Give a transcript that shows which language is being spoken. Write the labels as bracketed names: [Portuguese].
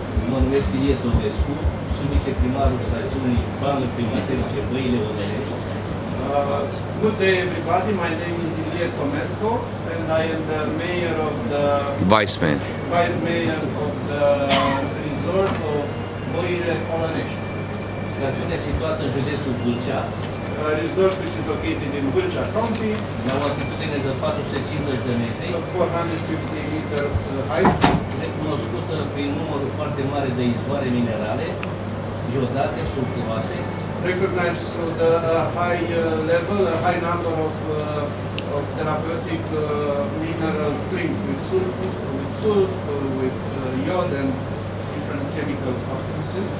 [Romanian] Mă numesc Ilie Tonescu, sunt viceprimarul stațiunii Bană Primaterice Băile Onerești. [English] Good day everybody, my name is Ilie Tonescu and I am the mayor of the... Vice mayor of the resort of Băile Onerești. [Romanian] Stațiunea situată în județul Vâlcea. [English] Resort which is located in Vâlcea County. [Romanian] La o altitudine de 450 de metri. [English] 450 meters height. [Romanian] Recunoscută prin numărul foarte mare de izvoare minerale, iodate, sulfuroase. [English] Recognized through the high level, a high number of therapeutic mineral springs with sulfur, with iod and different chemical substances.